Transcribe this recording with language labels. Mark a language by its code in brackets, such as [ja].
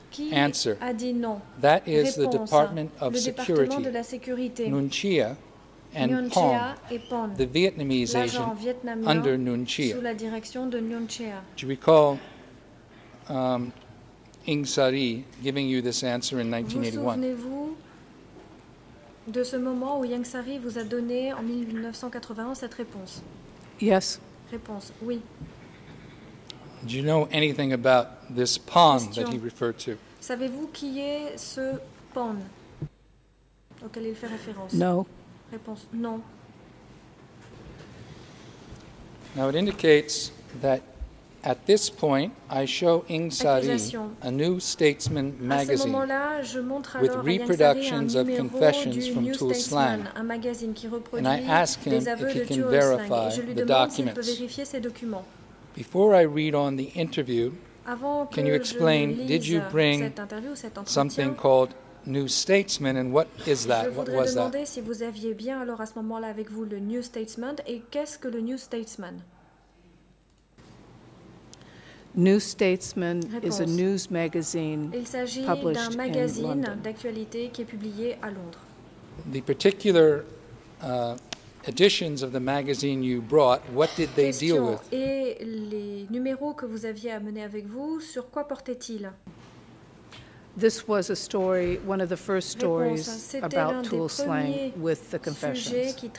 [en] Answer, that is the Department of Security, Nunchia, and Pong, the Vietnamese agent under Nguyen Chia. [fr] Sous la direction de Nguyen Chia. [en] Do you recall Ing Sari giving you this answer in 1981? [fr] De ce moment où Ing Sari vous a donné en 1981 cette réponse? [en] Yes. [fr] Réponse, oui. [en] Do you know anything about this Pong Question. That he referred to? [fr] Savez-vous qui est ce Pong auquel il fait référence? [en] No. Now it indicates that at this point I show Ing Sari a New Statesman magazine with reproductions of confessions from Tu Sling, and I ask him if he can verify the documents. Before I read on the interview, can you explain, did you bring something called New Statesman, and what is that? What was that? [fr] Je voudrais demander si vous aviez bien alors à ce moment-là avec vous le New Statesman, et qu'est-ce que le New Statesman? [en] New Statesman is a news magazine. [fr] Il s'agit d'un magazine d'actualité qui est publié à Londres. [en] The particular editions of the magazine you brought, what did they deal with? [fr] Et les numéros que vous aviez amenés avec vous, sur quoi portaient-ils? [en] This was a story, one of the first stories about Tu Sling with the confessions.